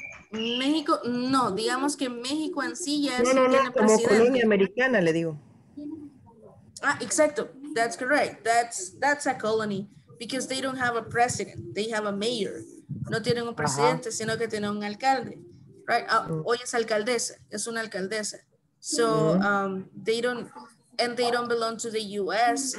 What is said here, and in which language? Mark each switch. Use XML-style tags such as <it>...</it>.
<es>México, no, digamos que México en sí ya es como colonia americana, le digo. Ah, exacto.</es> <en>That's correct. That's a colony because they don't have a president. They have a mayor.</en> <es>No tienen un presidente, sino que tienen un alcalde.</es> <en>Right?</en> <es>Hoy es alcaldesa. Es una alcaldesa.</es> <en>So they don't belong to the U.S.</en>